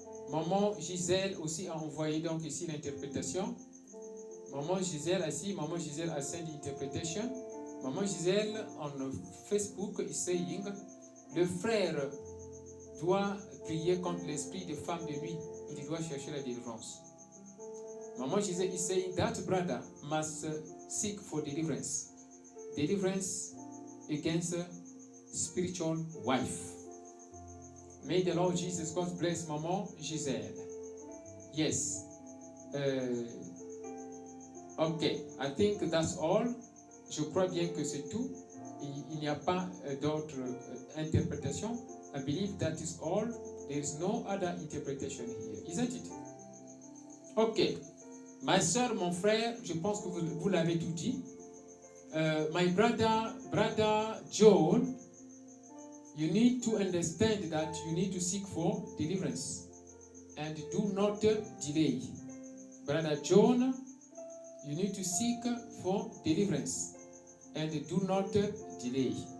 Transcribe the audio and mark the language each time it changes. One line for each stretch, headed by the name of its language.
French: Maman Gisèle aussi a envoyé donc ici l'interprétation. Maman Gisèle a dit, Maman Gisèle a sent l'interprétation. Maman Gisèle,
English: on Facebook, is saying,
French: le frère doit prier contre l'esprit de femme de nuit. Il doit chercher la délivrance.
English: Maman Gisèle is saying, that brother must seek for deliverance. Deliverance against spiritual wife. May the Lord Jesus Christ bless Maman Gisèle. Yes. Okay. I think that's all.
French: Je crois bien que c'est tout. Il n'y a pas d'autre interprétation.
English: I believe that is all. There is no other interpretation here. Isn't it? Okay.
French: Ma soeur, mon frère, je pense que vous l'avez tout dit.
English: My brother John, you need to understand that you need to seek for deliverance and do not delay. Brother John, you need to seek for deliverance and do not delay.